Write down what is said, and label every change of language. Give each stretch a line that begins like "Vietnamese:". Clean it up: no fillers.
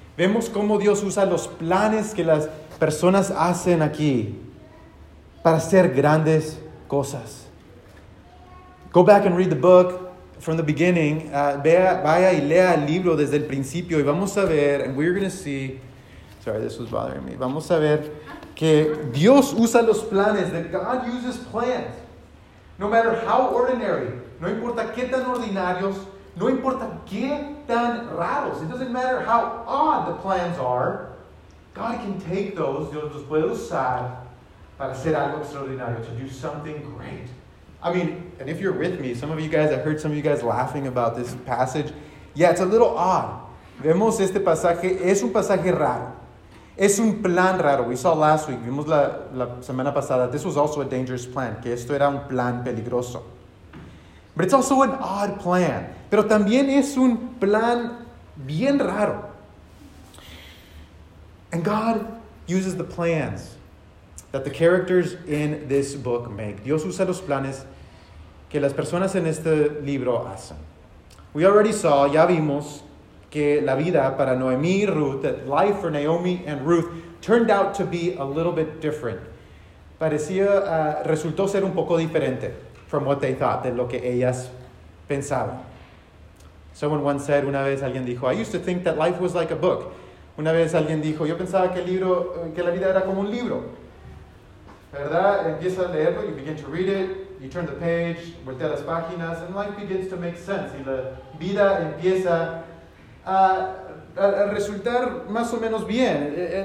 Spanish: Vemos cómo Dios usa los planes que las personas hacen aquí para hacer grandes cosas.
English: Go back and read the book from the beginning.
Spanish: Vaya y lea el libro desde el principio y vamos a ver,
English: and we're going to see, sorry, this was bothering me.
Spanish: Vamos a ver que Dios usa los planes,
English: that God uses plans. No matter how ordinary,
Spanish: no importa qué tan ordinarios, no importa qué tan raros.
English: It doesn't matter how odd the plans are. God can take those,
Spanish: Dios los puede usar para hacer algo extraordinario,
English: to do something great. I mean, and if you're with me, some of you guys, I heard some of you guys laughing about this passage. Yeah, it's a little odd.
Spanish: Vemos este pasaje, es un pasaje raro. Es un plan raro.
English: We saw last week,
Spanish: vimos la semana pasada,
English: this was also a dangerous plan,
Spanish: que esto era un plan peligroso.
English: But it's also an odd plan.
Spanish: Pero también es un plan bien raro.
English: And God uses the plans that the characters in this book make.
Spanish: Dios usa los planes que las personas en este libro hacen.
English: We already saw,
Spanish: ya vimos, que la vida para Noemi y Ruth,
English: that life for Naomi and Ruth turned out to be a little bit different.
Spanish: Resultó ser un poco diferente
English: from what they thought,
Spanish: de lo que ellas pensaban.
English: Someone once said,
Spanish: una vez alguien dijo,
English: I used to think that life was like a book.
Spanish: Una vez alguien dijo, yo pensaba que el libro, que la vida era como un libro. ¿Verdad? Empieza a leerlo,
English: you begin to read it, you turn the page,
Spanish: voltea las páginas,
English: and life begins to make sense.
Spanish: Y la vida empieza a resultar más o menos bien.